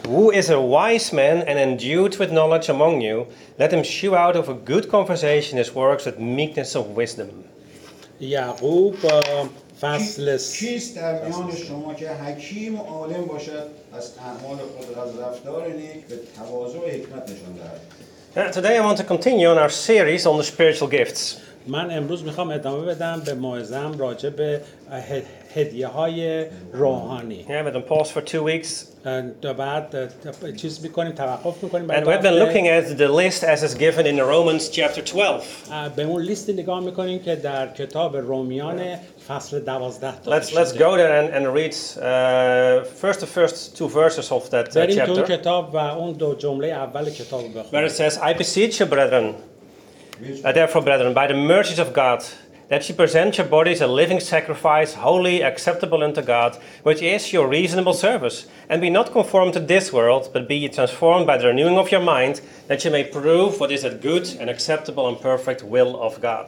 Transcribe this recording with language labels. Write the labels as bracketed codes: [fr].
[en] Who is a wise man and endued with knowledge among you? Let him shew out of a good conversation his works with meekness of wisdom. [fa] یعقوب فصل کیست در میان شما که حکیم و عالم باشد از اعمال خود و از رفتار نیک به تواضع و حکمت نشان دهد. [en] Today I want to continue on our series on the spiritual gifts. [fa] من امروز میخوام ادامه بدم به موعظه‌ام راجع به هدیه های روحانی. [en] Yeah, we're going to pause for 2 weeks. [fa] And بعد چیز میکنیم، توقف میکنیم. [en] And we've been looking at the list as is given in Romans chapter 12. [fa] به اون لیست نگاه میکنیم که در کتاب رومیان فصل 12 داشته. [en] Let's go there and read first 2 verses of that chapter. [fa] بریم تو کتاب و اون دو جمله اول کتاب بخونیم. [en] Where it says, I beseech you, brethren. Therefore, brethren, by the mercies of God, that you present your bodies a living sacrifice, holy, acceptable unto God, which is your reasonable service. And be not conformed to this world, but be ye transformed by the renewing of your mind, that you may prove what is that good and acceptable and perfect will of God.